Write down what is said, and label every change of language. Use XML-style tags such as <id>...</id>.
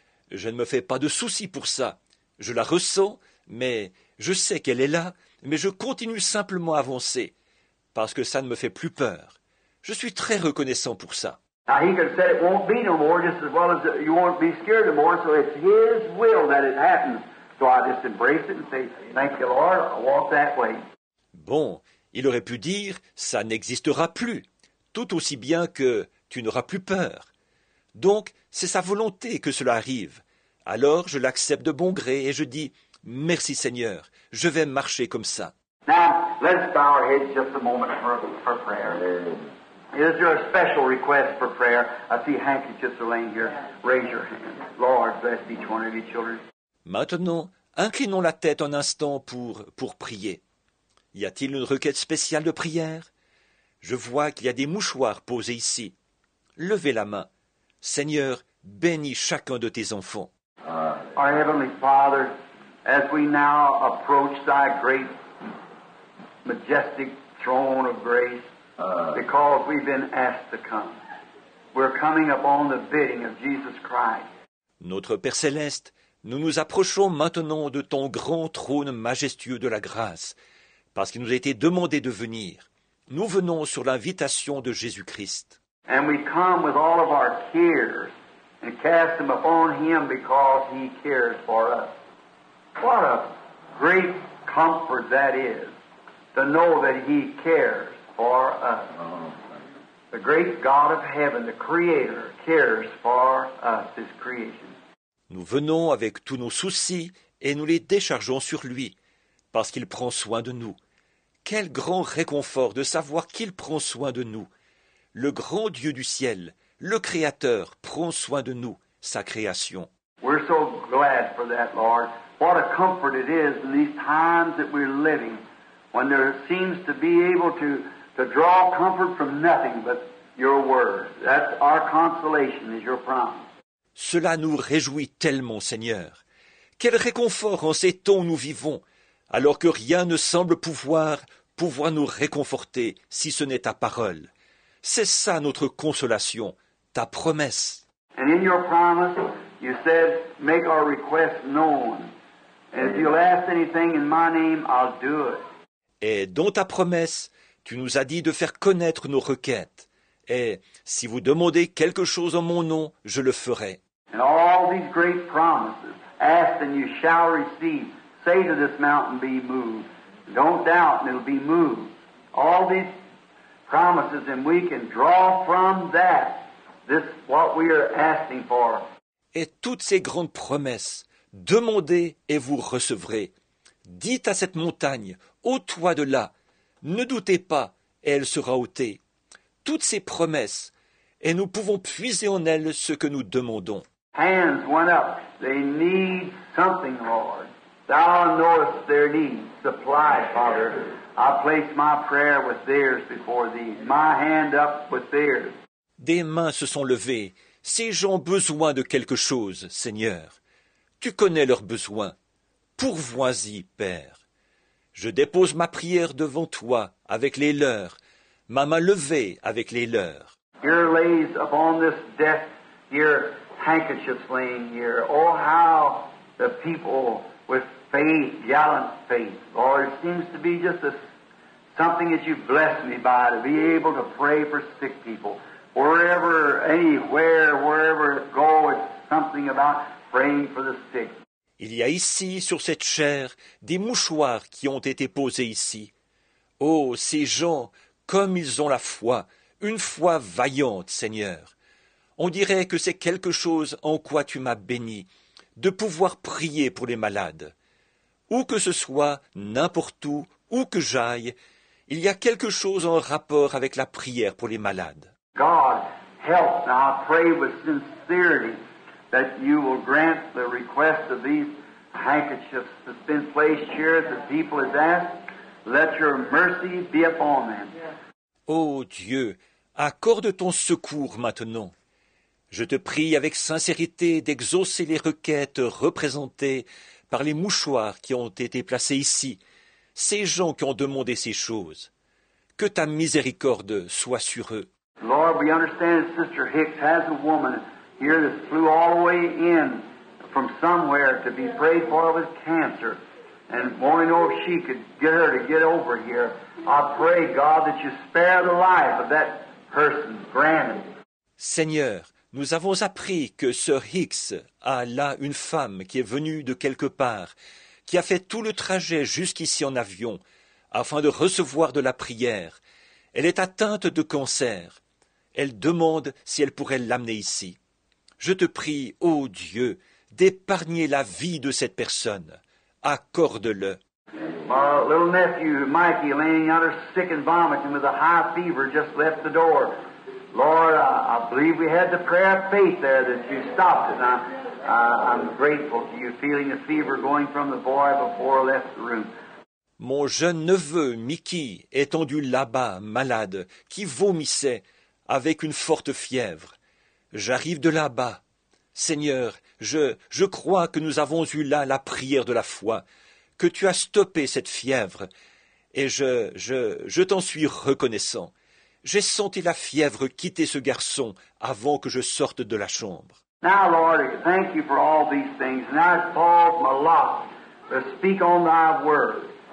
<fr>Je ne me fais pas de soucis pour ça. Je la ressens, mais je sais qu'elle est là, mais je continue simplement à avancer, parce que ça ne me fait plus peur. Je suis très reconnaissant pour ça.</fr> <en>Now he could say it won't be no more, just as well as you won't be scared no more, so it's his will that it happens. So I just embrace it and say, thank you, Lord, I'll walk that way.</en> <fr>Bon, il aurait pu dire, ça n'existera plus, tout aussi bien que tu n'auras plus peur. Donc, c'est sa volonté que cela arrive. Alors, je l'accepte de bon gré et je dis, « Merci Seigneur, je vais marcher comme ça. »</fr> <en>Now, let's bow our heads just a moment for prayer. Is there a special request for prayer? I see handkerchiefs are laying here. Raise your hand. Lord, bless each one of your children.</en> <fr>Maintenant, inclinons la tête un instant pour prier. Y a-t-il une requête spéciale de prière? Je vois qu'il y a des mouchoirs posés ici. Levez la main. Seigneur, bénis chacun de tes enfants.</fr> <en>Our Heavenly Father, as we now approach thy great, majestic throne of grace, because we've been asked to come, we're coming upon the bidding of Jesus Christ.</en> <fr>Notre Père Céleste, nous nous approchons maintenant de ton grand trône majestueux de la grâce, parce qu'il nous a été demandé de venir. Nous venons sur l'invitation de Jésus-Christ.</fr> <en>And we come with all of our cares and cast them upon him because he cares for us. What a great comfort that is to know that he cares for us. The great God of heaven, the Creator, cares for us, his creation.</en> <fr>Nous venons avec tous nos soucis et nous les déchargeons sur lui parce qu'il prend soin de nous. Quel grand réconfort de savoir qu'il prend soin de nous. Le grand Dieu du ciel, le Créateur, prend soin de nous, sa création.</fr> <en>We're so glad for that, Lord. What a comfort it is in these times that we're living, when there seems to be able to draw comfort from nothing but your word. That's our consolation, is your promise.</en> <fr>Cela nous réjouit tellement, Seigneur. Quel réconfort en ces temps où nous vivons, alors que rien ne semble pouvoir nous réconforter, si ce n'est ta parole. C'est ça notre consolation, ta promesse.</fr> <en>And in your promise, you said, make our request known. And if you'll ask anything in my name, I'll do it.</en> <fr>Et dans ta promesse, tu nous as dit de faire connaître nos requêtes. Et si vous demandez quelque chose en mon nom, je le ferai.</fr> <en>And all these great promises, ask and you shall receive. Say to this mountain, be moved. Don't doubt, and it'll be moved. All these promises, and we can draw from that this what we are asking for.</en> <fr>Et toutes ces grandes promesses, Demandez et vous recevrez. Dites à cette montagne, ôte-toi de là. Ne doutez pas et elle sera ôtée. Toutes ces promesses, et nous pouvons puiser en elles ce que nous demandons.</fr> <en>Hands went up. They need something, Lord. Thou knowest their need. Supply, Father. I place my prayer with theirs before thee. My hand up with theirs.</en> <fr>Des mains se sont levées. Ces gens ont besoin de quelque chose, Seigneur. Tu connais leurs besoins. Pourvois-y, Père. Je dépose ma prière devant toi avec les leurs, ma main levée avec les leurs.</fr> <en>Here lays upon this death your handkerchief slain here. Oh, how the people with faith, gallant faith, Lord, it seems to be just a, something that you bless me by, to be able to pray for sick people. Wherever, anywhere, wherever it goes, something about praying for the sick.</en> <fr>Il y a ici, sur cette chair, des mouchoirs qui ont été posés ici. Oh, ces gens, comme ils ont la foi, une foi vaillante, Seigneur. On dirait que c'est quelque chose en quoi tu m'as béni, de pouvoir prier pour les malades. Où que ce soit, n'importe où, où que j'aille, il y a quelque chose en rapport avec la prière pour les malades.</fr> <en>God, help, now I pray with sincerity that you will grant the request of these handkerchiefs that's been placed here that the people has asked. Let your mercy be upon them.</en> <fr>Oh Dieu, accorde ton secours maintenant. Je te prie avec sincérité d'exaucer les requêtes représentées par les mouchoirs qui ont été placés ici, ces gens qui ont demandé ces choses. Que ta miséricorde soit sur eux.</fr> <en>Lord, we understand that Sister Hicks has a woman here that flew all the way in from somewhere to be prayed for with cancer, and want to know if she could get her to get over here. I pray, God, that you spare the life of that person, granted.</en> <fr>Seigneur, nous avons appris que Sir Hicks a là une femme qui est venue de quelque part, qui a fait tout le trajet jusqu'ici en avion, afin de recevoir de la prière. Elle est atteinte de cancer. Elle demande si elle pourrait l'amener ici. Je te prie, ô Dieu, d'épargner la vie de cette personne. Accorde-le.</fr> <en>My little nephew, Mikey, laying under sick and vomiting with a high fever, just left the door. Lord, I believe we had the prayer of faith there that you stopped it. I'm grateful to you, feeling the fever going from the boy before I left the room.</en> <fr>Mon jeune neveu, Mickey, étendu là-bas, malade, qui vomissait avec une forte fièvre. J'arrive de là-bas. Seigneur, je crois que nous avons eu là la prière de la foi, que tu as stoppé cette fièvre, et je t'en suis reconnaissant. J'ai senti la fièvre quitter ce garçon avant que je sorte de la chambre.</fr> <en>Now, Lord, thank you for all these things. Now it falls my lot to speak on thy word.</en>